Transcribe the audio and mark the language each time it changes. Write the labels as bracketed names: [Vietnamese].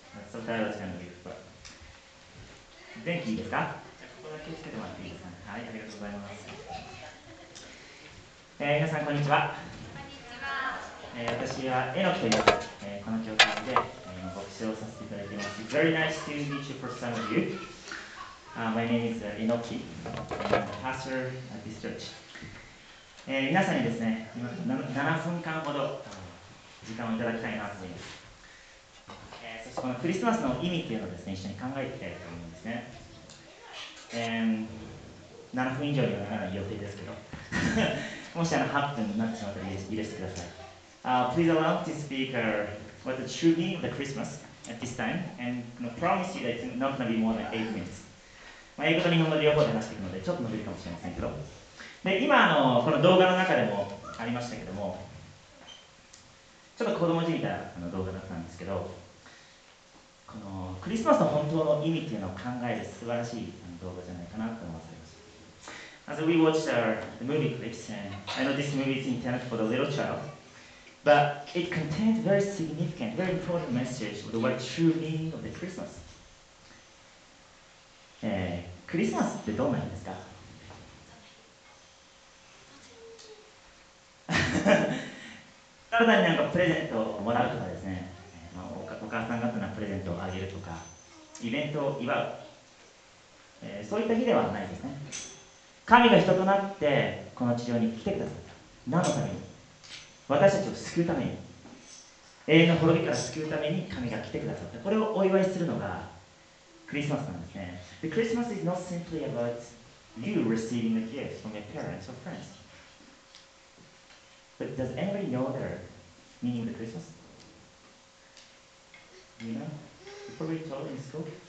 [Japanese] そこからは時間のリフト。電気いいですか？じゃあここだけつけてもらっていいですか？はい、ありがとうございます。皆さんこんにちは。こんにちは。私はエノキという、この教会で、今牧師をさせていただいています。 [English] Very nice to meet you for some of you. My name is Enoki. I'm the pastor at this church. [Japanese] 皆さんにですね、今7分間ほど時間をいただきたいなと思います。そしてこのクリスマスの意味というのをですね、一緒に考えていきたいと思うんですね。 7分以上にはならない予定ですけど、もし8分になってしまったら許してください。 [English] Please allow the speaker what the true meaning of the Christmas at this time, and promise you that it's not going to be more than 8 minutes. [Japanese] 英語と日本語で両方で話していくので、ちょっと伸びるかもしれませんけど。で、今この動画の中でもありましたけども、ちょっと子供じみた動画だったんですけど、このクリスマスの本当の意味っていうのを考える素晴らしい動画じゃないかなと思わされました。 [English] As we watched our the movie clips, and I know this movie is intended for the little child, but it contains very significant, very important message of the what true meaning of the Christmas. [Japanese] クリスマスってどんな意味ですか？体に何かプレゼントをもらうとかですね、お母さん方のプレゼントをあげるとか、イベントを祝う、そういった日ではないですね。神が人となってこの地上に来てくださった。何のために？私たちを救うために、永遠の滅びから救うために神が来てくださった。これをお祝いするのがクリスマスなんですね。 [English] The Christmas is not simply about you receiving a gift from your parents or friendsBut does anybody know their meaning of the Christmas? You know? probably taught in school.